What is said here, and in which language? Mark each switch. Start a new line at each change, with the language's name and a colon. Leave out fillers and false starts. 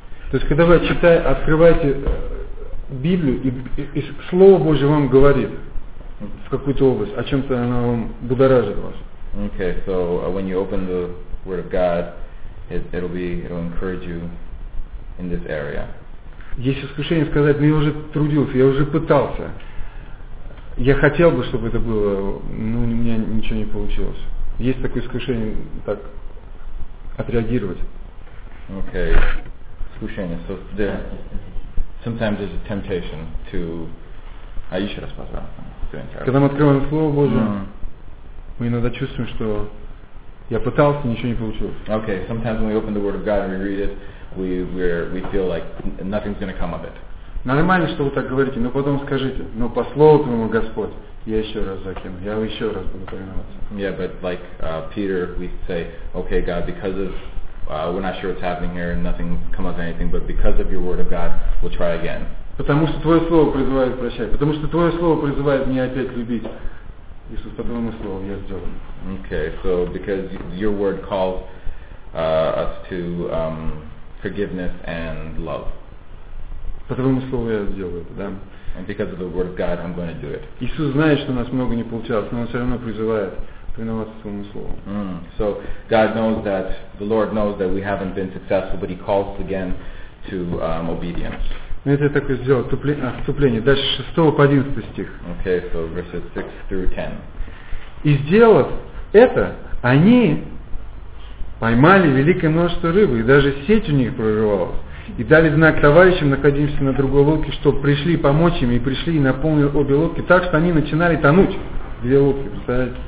Russian: То есть, когда вы открываете Библию, и Слово Божье вам говорит в какую-то область, о чем-то оно вам будоражит вас.
English: Okay, so when you open the Word of God, it'll encourage you in this area.
Russian: Есть искушение сказать: «Ну, я уже трудился, я уже пытался, я хотел бы, чтобы это было, но у меня ничего не получилось». Есть такое искушение так отреагировать.
English: Okay,
Russian: искушение.
English: So there, sometimes there's a temptation to...
Russian: А еще раз, пожалуйста. Когда мы открываем Слово Божие, мы иногда чувствуем, что я пытался, ничего не получилось.
English: Okay, sometimes when we open the Word of God and we read it, we feel like nothing's going to come of it.
Russian: Нормально, что вы так говорите, но потом скажите: «Но по Слову Твоему, Господь, я еще раз закину, я еще раз буду повиноваться».
English: Yeah, but like Peter, we say, okay, God, because of, we're not sure what's happening here, nothing come of anything, but because of your Word of God, we'll try again.
Russian: Потому что Твое Слово призывает прощать. Потому что Твое Слово призывает меня опять любить. Иисус, по Твоему Слову я сделан.
English: Okay, so because your word calls us to forgiveness and love.
Russian: По Твоему Слову я сделаю это, да?
English: And because of the word of God, I'm going to do it.
Russian: Иисус знает, что у нас много не получалось, но Он все равно призывает повиноваться Твоему Слову.
English: So God knows that, the Lord knows that we haven't been successful, but He calls again to obedience.
Russian: Ну, это я так и сделал, отступление. Дальше 6 по 11 стих.
English: Okay, so verses 6 through 10.
Russian: «И сделав это, они поймали великое множество рыбы, и даже сеть у них прорывалась, и дали знак товарищам, находившимся на другой лодке, чтобы пришли помочь им, и пришли и наполнили обе лодки так, что они начинали тонуть». Две утки, представляете?